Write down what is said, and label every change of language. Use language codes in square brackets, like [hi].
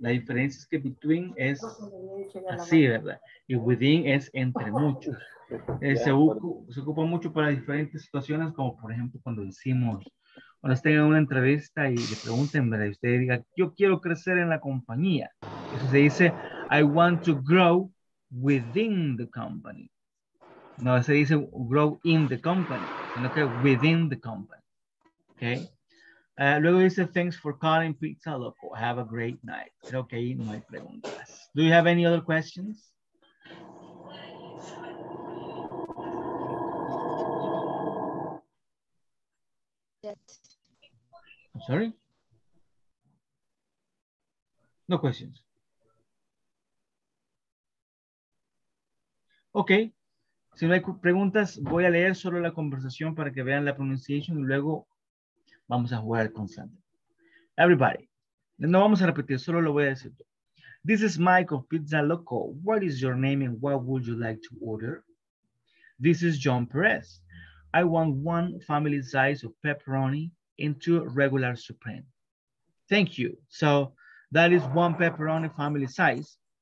[es] La diferencia es que between es así, ¿verdad? Y within es entre muchos. Se ocupa mucho para diferentes situaciones, como por ejemplo cuando decimos, cuando estén en una entrevista y le pregunten, ¿verdad? Y usted diga, yo quiero crecer en la compañía. [en] Eso se dice, I want to grow within the company. No, se dice grow in the company, sino que within the company. Ok. Luego dice, thanks for calling Pizza Loco. Have a great night. [es] Creo que ahí no hay preguntas. Do you have any other questions? [en] Yes. I'm sorry? No questions. Ok. [es] Si no hay preguntas, voy a leer solo la conversación para que vean la pronunciation y luego vamos a jugar con Sandra. Everybody, no vamos a repetir, solo lo voy a decir. [en] This is Mike of Pizza Loco. What is your name and what would you like to order? This is John Perez. I want one family size of pepperoni and 2 regular supreme. Thank you. So that is 1 pepperoni family size.